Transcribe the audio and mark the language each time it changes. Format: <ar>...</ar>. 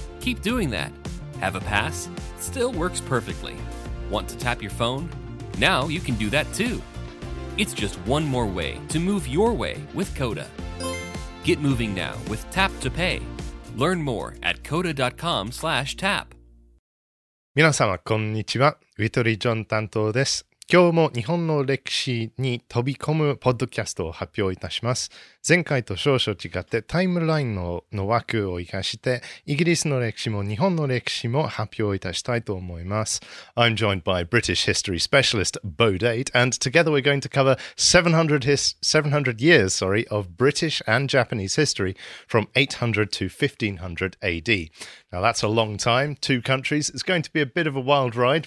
<en>Keep doing that. Have a pass? Still works perfectly. Want to tap your phone? Now you can do that too. It's just one more way to move your way with Coda. Get moving now with Tap to Pay. Learn more at coda.com/tap.</en> <ja>皆様こんにちは。ウィトリージョン担当です。今日も日本の歴史に飛び込むポッドキャストを発表いたします。前回と少々違ってタイムラインの枠を生かしてイギリスの歴史も日本の歴史も発表いたしたいと思います。</ja> <en>I'm joined by British history specialist Bo Date, and together we're going to cover 700 years of British and Japanese history from 800 to 1500 AD. Now that's a long time, two countries. It's going to be a bit of a wild ride.</en>